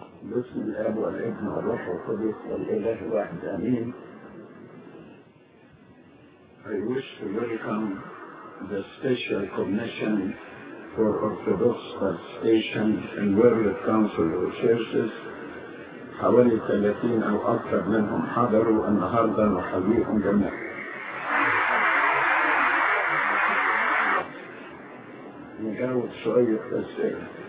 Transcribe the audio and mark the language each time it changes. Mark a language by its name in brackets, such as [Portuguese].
[Arabic] بسم الأب والابن والروح القدس والإله الواحد آمين. [English] I wish to welcome the special commission for Orthodox Participation in World Council of Churches. [Arabic] حوالي 30 أو أكثر منهم حضروا النهاردة وحضروهم جميعا. نجاوب شوية أسئلة.